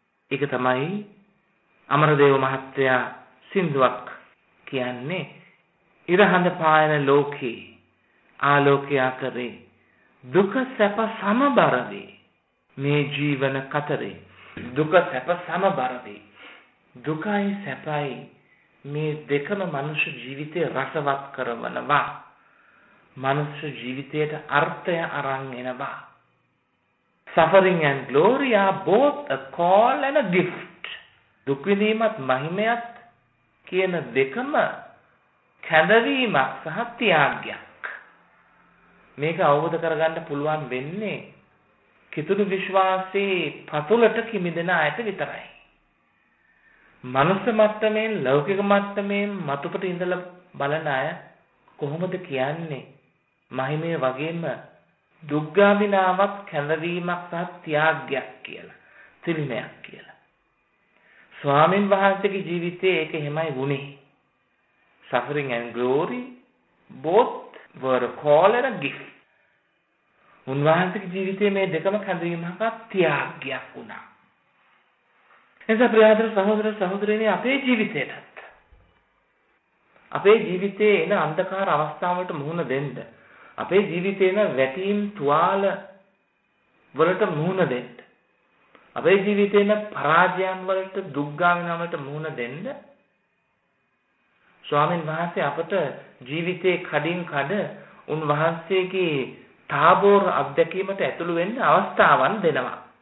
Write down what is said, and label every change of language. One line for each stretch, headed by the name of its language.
Sinhala: ඒක තමයි අමරදේව මහත්තයා සින්දුවක් කියන්නේ, ඉරහඳ පායන ලෝකේ ආලෝකයා කරේ දුක සැප සමබරවේ, මේ ජීවන කතරේ දුක සැප සමබරවේ. දුකයි සැපයි මේ දෙකම මනුෂ්‍ය ජීවිතය රසවත් කරවනවා, මනුෂ්‍ය ජීවිතයට අර්ථය අරන් එනවා.
English: Suffering and glory are both a call and a gift.
Sinhala: දුක් විඳීමත් මහිමයත් කියන දෙකම කැඳවීමක් සහ ත්‍යාගයක්. මේක අවබෝධ කරගන්න පුළුවන් වෙන්නේ කිතුනු විශ්වාසී පතුලට කිමිදෙන අයට විතරයි. මනුස්ස මට්ටමේ, ලෞකික මට්ටමේ මතුපිට ඉඳලා බලන අය කොහොමද කියන්නේ මහිමය වගේම දුක්ගා විනාවක් කැඳවීමක් සහ ත්‍යාගයක් කියලා, ත්‍රිමයක් කියලා. ස්වාමින් වහන්සේගේ ජීවිතයේ ඒක එහෙමයි වුණේ.
English: Suffering and glory both were a call and a gift.
Sinhala: උන්වහන්සේගේ ජීවිතයේ මේ දෙකම කැඳවීමක් සහ ත්‍යාගයක් වුණා. එසේ ප්‍රියදර සහෝදර සහෝදරියනි, අපේ ජීවිතයටත්, අපේ ජීවිතයේ එන අන්ධකාර අවස්ථාවලට මුහුණ දෙන්න, අපේ ජීවිතේ යන වැටීම් තුවාල වලට මුහුණ දෙන්න, අපේ ජීවිතේ යන පරාජයන් වලට දුක්ගාමිනා වලට මුහුණ දෙන්න ස්වාමීන් වහන්සේ අපට ජීවිතේ කඩින් කඩ උන්වහන්සේගේ තාබෝර අත්දැකීමට ඇතුළු වෙන්න අවස්ථාවන් දෙනවා.